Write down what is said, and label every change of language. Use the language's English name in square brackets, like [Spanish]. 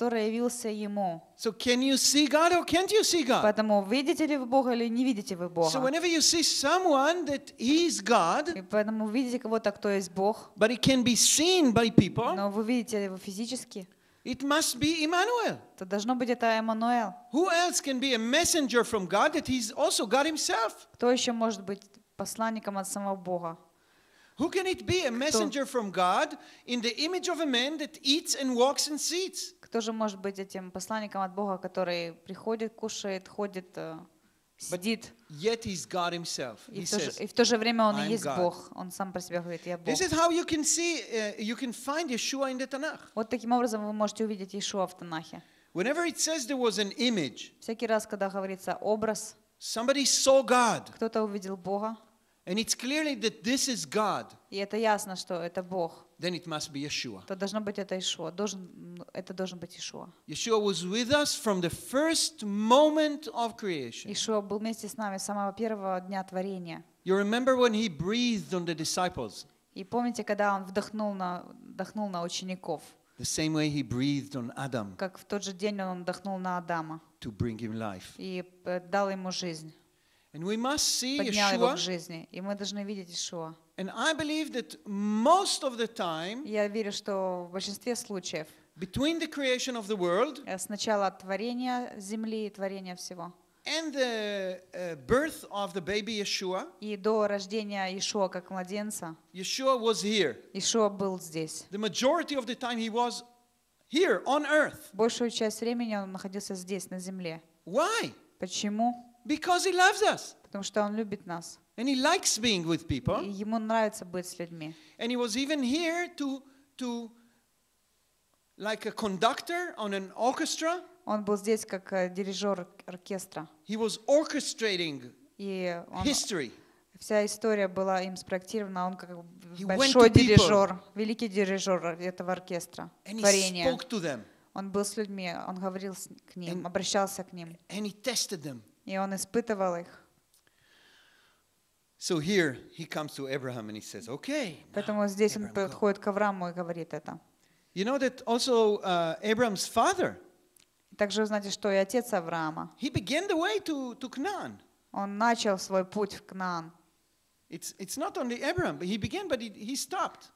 [English] So can you see God or can't you see God? [Russian] Поэтому видите ли вы Бога или не видите вы Бога? [English] So whenever you see someone that is God, [Russian] поэтому видите кого-то, кто есть Бог, [English] but he can be seen by people, [Russian] но вы видите его физически, [English] it must be Emmanuel. [Russian] То должно быть это Эммануэл. [English] Who else can be a messenger from God that he's also God himself? [Russian] Кто еще может быть посланником от самого Бога? [English] Who can it be, a messenger from God in the image of a man that eats and walks and sits? [Russian] Кто же может быть этим посланником от Бога, который приходит, кушает, ходит, сидит? [English] Yet he's God himself. He says, [Russian] и в то же время он есть Бог. Он сам про себя говорит, я Бог. [English] This is how you can see, you can find Yeshua in the Tanakh. [Russian] Вот таким образом вы можете увидеть Иешуа в Танахе. [English] Whenever it says there was an image, [Russian] всякий раз, когда говорится образ, [English] somebody saw God. [Russian] Кто-то увидел Бога. [English] And it's clearly that this is God. [Russian] И это ясно, что это Бог. [English] Then it must be Yeshua. [Russian] То должно быть это Иешуа. Это должен быть Иешуа. [English] Yeshua was with us from the first moment of creation. [Russian] Иешуа был вместе с нами с самого первого дня творения. [English] You remember when he breathed on the disciples? [Russian] И помните, когда он вдохнул на учеников? [English] The same way he breathed on Adam. [Russian] Как в тот же день он вдохнул на Адама. [English] To bring him life. [Russian] И дал ему жизнь. [English] And we must see Yeshua. [Russian] Жизни, и мы должны видеть Иешуа. [English] And I believe that most of the time, [Russian] я верю, что в большинстве случаев, [English] between the creation of the world, [Russian] с начала творения земли и творения всего, [English] and the birth of the baby Yeshua, [Russian] и до рождения Иешуа как младенца, [English] Yeshua was here. [Russian] Иешуа был здесь. [English] The majority of the time he was here on earth. [Russian] Большую часть времени он находился здесь на земле. [English] Why? [Russian] Почему? [English] Because he loves us. [Russian] Потому что он любит нас. [English] And he likes being with people. [Russian] И ему нравится быть с людьми. [English] And he was even here to like a conductor on an orchestra. [Russian] Он был здесь как дирижер оркестра. [English] He was orchestrating history. [Russian] Вся история была им спроектирована. Он как большой дирижер, великий дирижер этого оркестра, творения. [English] And he spoke to them. [Russian] Он был с людьми, он говорил к ним, обращался к ним. [English] And he tested them. [Russian] И он испытывал их. [English] So here he comes to Abraham and he says, "Okay." [Russian] Поэтому здесь он подходит к Аврааму и говорит это. [English] You know that also Abraham's father. [Russian] Также вы знаете, что и отец Авраама. [English] He began the way to Canaan. [Russian] Он начал свой путь в Кнаан. [English] It's not only Abraham, but he began, but he stopped.